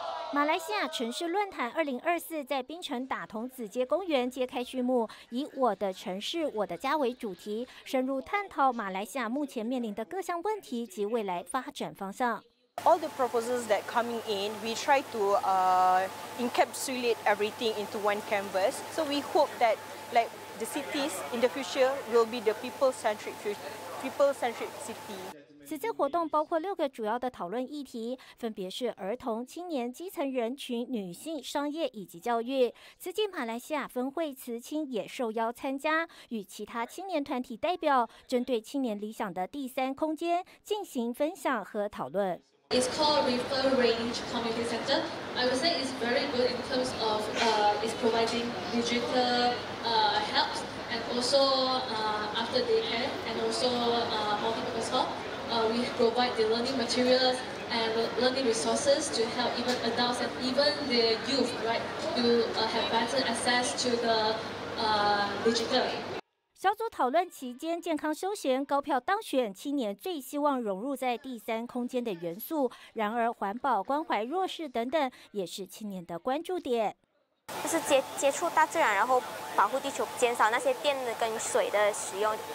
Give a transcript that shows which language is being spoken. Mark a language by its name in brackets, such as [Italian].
[Chinese] 马来西亚城市论坛2024在槟城打铜子街公园揭开序幕，以我的城市我的家为主题，深入探讨马来西亚目前面临的各项问题及未来发展方向。 [English] All the proposals that coming in, we try to encapsulate everything into one canvas. So we hope that like the cities in the future will be the people-centric city. [Chinese] 此次活动包括六个主要的讨论议题，分别是儿童、青年、基层人群、女性、商业以及教育。慈济马来西亚分会慈青也受邀参加，与其他青年团体代表针对青年理想的第三空间进行分享和讨论。 [English] It's called Refer Range Community Center. I would say it's very good in terms of it's providing digital help and also after daycare and also multi-purpose hall. We provide the learning materials and learning resources to help even adults and even the youth, right, to have better access to the digital. [Chinese] 小组讨论期间，健康休闲高票当选青年最希望融入在第三空间的元素。然而，环保、关怀弱势等等也是青年的关注点。就是接触大自然，然后保护地球，减少那些电跟水的使用。